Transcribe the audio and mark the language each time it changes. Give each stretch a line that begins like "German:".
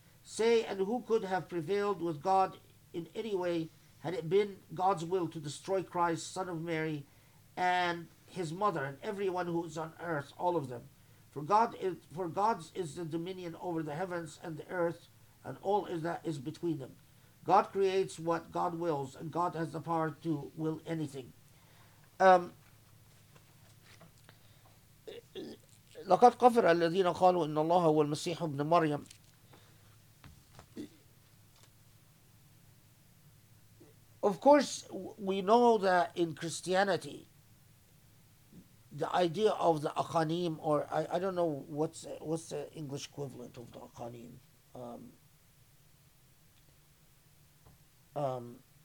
English: Say, and who could have prevailed with God in any way had it been God's will to destroy Christ, son of Mary, and his mother, and everyone who is on earth, all of them. For God's is the dominion over the heavens and the earth, and all is that is between them. God creates what God wills, and God has the power to will anything.
Arabic: لقد كفر الذين قالوا إن الله هو المسيح ابن مريم.
English: Of course, we know that in Christianity, the idea of the Akhanim, or I don't know what's the English equivalent of the Akhanim.